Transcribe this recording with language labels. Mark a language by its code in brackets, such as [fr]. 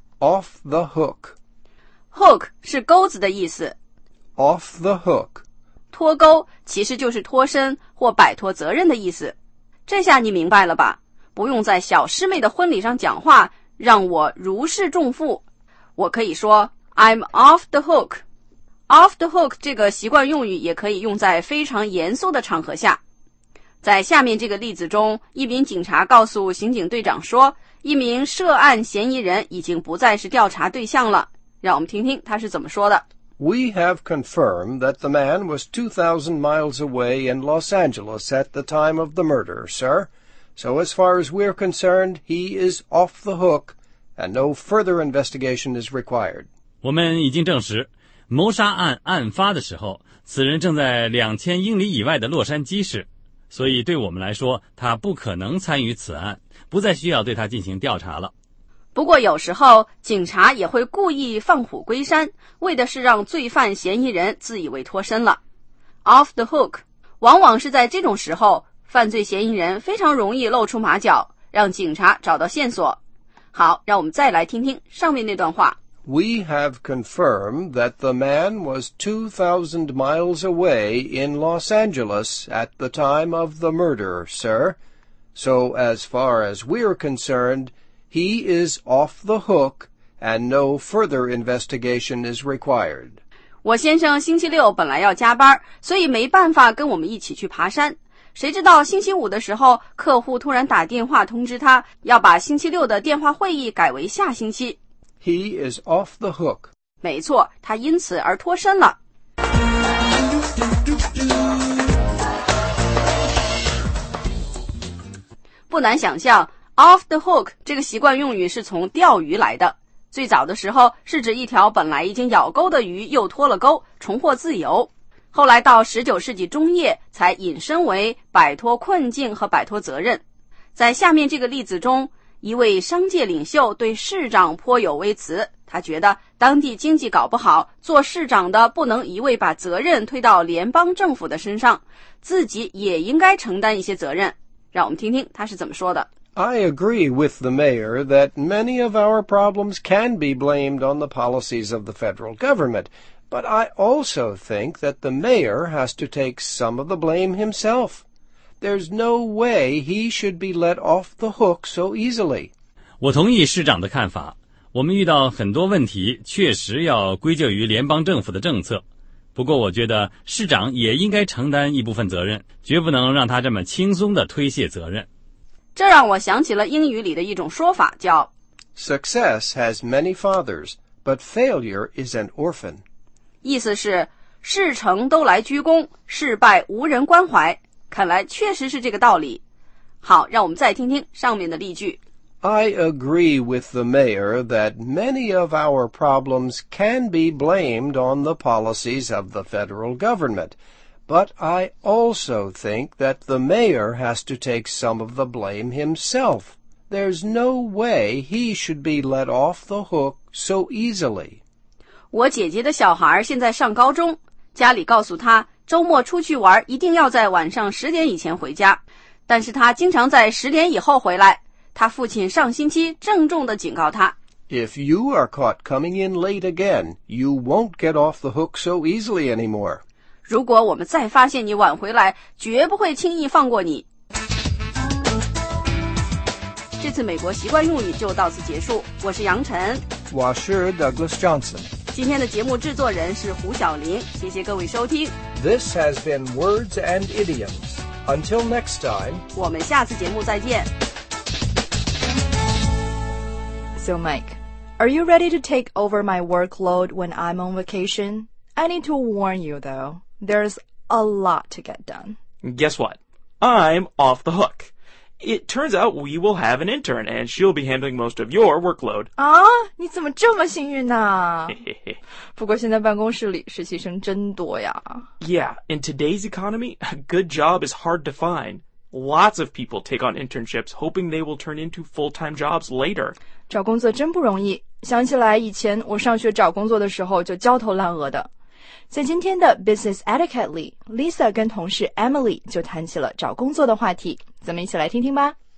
[en] Off the hook. [zh] Hook 是钩子的意思。 [en] Off the hook. [zh] 脱钩其实就是脱身或摆脱责任的意思。这下你明白了吧？不用在小师妹的婚礼上讲话，让我如释重负。我可以说 [en] I'm off the hook. [zh] Off the hook 这个习惯用语也可以用在非常严肃的场合下。在下面这个例子中，一名警察告诉刑警队长说，一名涉案嫌疑人已经不再是调查对象了。让我们听听他是怎么说的。 [en] We have confirmed that the man was 2,000 miles away in Los Angeles at the time of the murder, sir. So as far as we're concerned, he is off the hook, and no further investigation is required. [zh] 我们已经证实，谋杀案案发的时候，此人正在2000英里以外的洛杉矶市，所以对我们来说，他不可能参与此案，不再需要对他进行调查了。不过有时候警察也会故意放虎归山，为的是让罪犯嫌疑人自以为脱身了。 Off the hook 往往是在这种时候，犯罪嫌疑人非常容易露出马脚，让警察找到线索。好，让我们再来听听上面那段话。 [en] We have confirmed that the man was 2,000 miles away in Los Angeles at the time of the murder, sir. So as far as we're concernedHe is off the hook, and no further investigation is required. [zh] 我先生星期六本来要加班，所以没办法跟我们一起去爬山。谁知道星期五的时候，客户突然打电话通知他，要把星期六的电话会议改为下星期。 [en] He is off the hook. [zh] 没错，他因此而脱身了。不难想象Off the hook 这个习惯用语是从钓鱼来的，最早的时候是指一条本来已经咬钩的鱼又脱了钩，重获自由。后来到19世纪中叶才引申为摆脱困境和摆脱责任。在下面这个例子中，一位商界领袖对市长颇有微词，他觉得当地经济搞不好，做市长的不能一味把责任推到联邦政府的身上，自己也应该承担一些责任。让我们听听他是怎么说的。 [en] I agree with the mayor that many of our problems can be blamed on the policies of the federal government, but I also think that the mayor has to take some of the blame himself. There's no way he should be let off the hook so easily. [zh] 我同意市长的看法，我们遇到很多问题确实要归咎于联邦政府的政策，不过我觉得市长也应该承担一部分责任，绝不能让他这么轻松地推卸责任。这让我想起了英语里的一种说法，叫 [en] Success has many fathers, but failure is an orphan. [zh] 意思是事成都来鞠躬，事败无人关怀。看来确实是这个道理。好，让我们再听听上面的例句。 I agree with the mayor that many of our problems can be blamed on the policies of the federal government, but I also think that the mayor has to take some of the blame himself. There's no way he should be let off the hook so easily. 我姐姐的小孩现在上高中，家里告诉她周末出去玩一定要在晚上十点以前回家，但是她经常在十点以后回来。他父亲上星期郑重地警告他， [en] If you are caught coming in late again, you won't get off the hook so easily anymore. [zh] 如果我们再发现你晚回来，绝不会轻易放过你。这次美国习惯用语就到此结束，我是杨晨，我是 Douglas Johnson。今天的节目制作人是胡晓玲，谢谢各位收听。 [en] This has been Words and Idioms. Until next time, [zh] 我们下次节目再见。 [en] So Mike, are you ready to take over my workload when I'm on vacation? I need to warn you though, there's a lot to get done. Guess what? I'm off the hook. It turns out we will have an intern and she'll be handling most of your workload. [zh] 啊，你怎么这么幸运呢？不过现在办公室里实习生真多呀。 [en] Yeah, in today's economy, a good job is hard to find. Lots of people take on internships hoping they will turn into full-time jobs later. [zh] 找工作真不容易，想起来以前我上学找工作的时候就焦头烂额的。在今天的 Business Etiquette 里， Lisa 跟同事 Emily 就谈起了找工作的话题，咱们一起来听听吧。